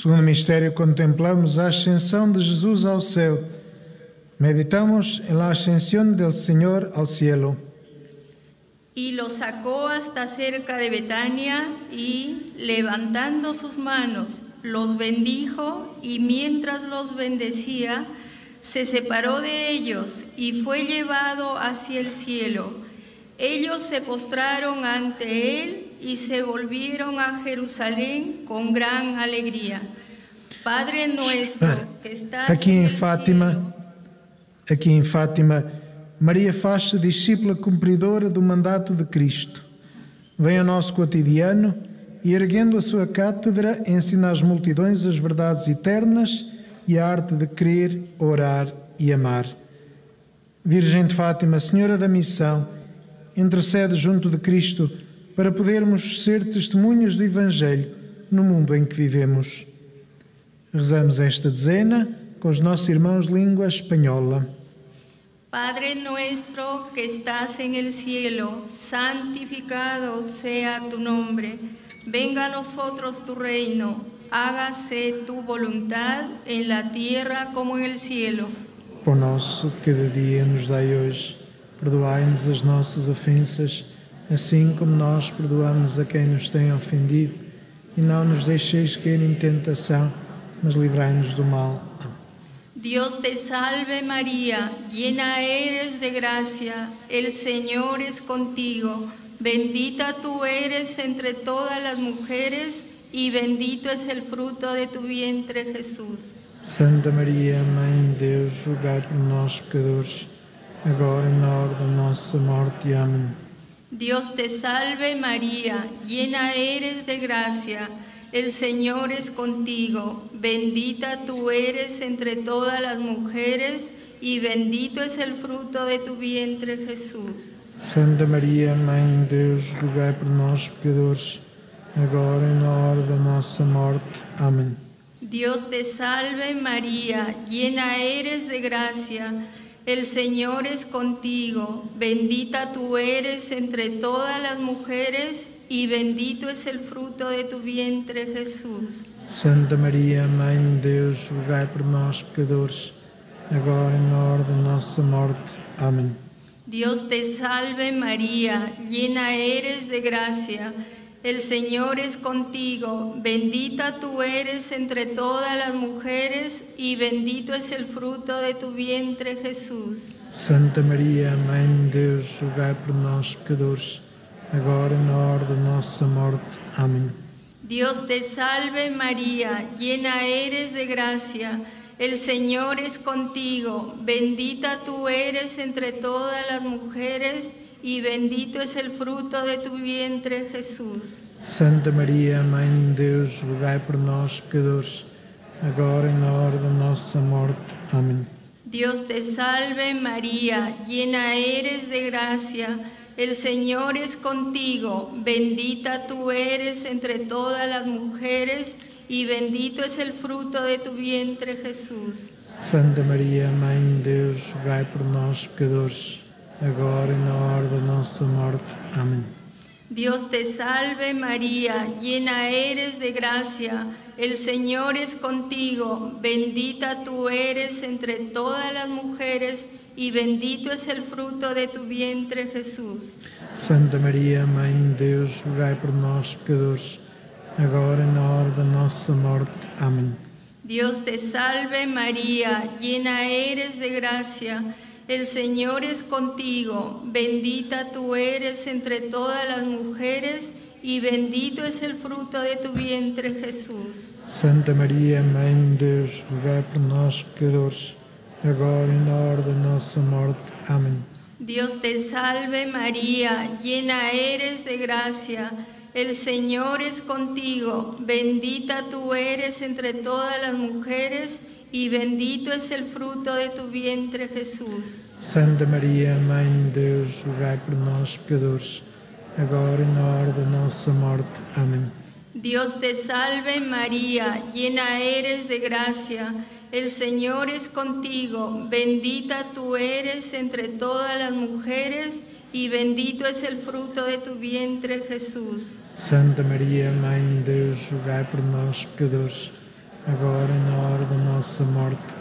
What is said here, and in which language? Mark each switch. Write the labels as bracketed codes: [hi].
[pt] Mistério, contemplamos a ascensão de Jesus ao céu. [es] Meditamos en la ascensión del Señor al cielo. Y lo sacó hasta cerca de Betania y, levantando sus manos, los bendijo y mientras los bendecía, se separó de ellos y fue llevado hacia el cielo. Ellos se postraron ante él y se volvieron a Jerusalén con gran alegría. Padre nuestro, que estás [pt] aqui em Fátima, cielo. Aqui em Fátima, Maria faz-se discípula cumpridora do mandato de Cristo. Vem ao nosso cotidiano e, erguendo a sua cátedra, ensina às multidões as verdades eternas e a arte de crer, orar e amar. Virgem de Fátima, Senhora da Missão, intercede junto de Cristo para podermos ser testemunhas do Evangelho no mundo em que vivemos. Rezamos esta dezena com os nossos irmãos de língua espanhola. [es] Padre nuestro que estás en el cielo, santificado sea tu nombre. Venga a nosotros tu reino. Hágase tu voluntad en la tierra como en el cielo. [pt] Pão nosso cada dia nos dai hoje. Perdoai-nos as nossas ofensas, assim como nós perdoamos a quem nos tem ofendido. E não nos deixeis cair em tentação, mas livrai-nos do mal. [es] Dios te salve María, llena eres de gracia, el Señor es contigo, bendita tú eres entre todas las mujeres y bendito es el fruto de tu vientre, Jesús. [pt] Santa María, Mãe de Deus, rogai por nós pecadores, agora e na hora da nossa morte. Amém. [es] Dios te salve María, llena eres de gracia, el Señor es contigo, bendita tú eres entre todas las mujeres y bendito es el fruto de tu vientre, Jesús. [pt] Santa María, Mãe de Deus, rogai por nós, pecadores, agora [es] y en la hora de nuestra muerte. Amén. Dios te salve, María, llena eres de gracia, el Señor es contigo, bendita tú eres entre todas las mujeres y bendito es el fruto de tu vientre, Jesús. [pt] Santa María, Mãe de Deus, rogai por nós, pecadores, agora e na hora da nossa morte. Amém. [es] Dios te salve, María, llena eres de gracia. El Señor es contigo, bendita tú eres entre todas las mujeres y bendito es el fruto de tu vientre, Jesús. [pt] Santa María, Mãe de Deus, rogai por nós, pecadores, agora e na hora da nossa morte. Amém. [es] Dios te salve, María, llena eres de gracia. El Señor es contigo, bendita tú eres entre todas las mujeres y bendito es el fruto de tu vientre, Jesús. [pt] Santa María, Mãe de Deus, rogai por nós, pecadores, agora e na hora da nossa morte. Amém. [es] Dios te salve, María, llena eres de gracia. El Señor es contigo, bendita tú eres entre todas las mujeres y bendito es el fruto de tu vientre, Jesús. [pt] Santa María, Mãe de Deus, rogai por nós, pecadores, agora e na hora da nossa morte. Amém. [es] Dios te salve, María, llena eres de gracia. El Señor es contigo, bendita tú eres entre todas las mujeres y bendito es el fruto de tu vientre, Jesús. [pt] Santa María, Mãe de Deus, rogai por nós, pecadores, agora e na hora da nossa morte. Amém. [es] Dios te salve, María, llena eres de gracia. El Señor es contigo, bendita tú eres entre todas las mujeres y bendito es el fruto de tu vientre, Jesús. [pt] Santa María, Mãe de Deus, rogai por nós, pecadores, agora e na hora da nossa morte. Amém. [es] Dios te salve, María, llena eres de gracia. El Señor es contigo, bendita tú eres entre todas las mujeres y bendito es el fruto de tu vientre, Jesús. [pt] Santa María, Mãe de Deus, rogai por nós, pecadores, agora e na hora da nossa morte. Amém. [es] Dios te salve, María, llena eres de gracia. El Señor es contigo, bendita tú eres entre todas las mujeres y bendito es el fruto de tu vientre, Jesús. [pt] Santa María, Mãe de Deus, rogai por nós, pecadores, agora e na hora da nossa morte.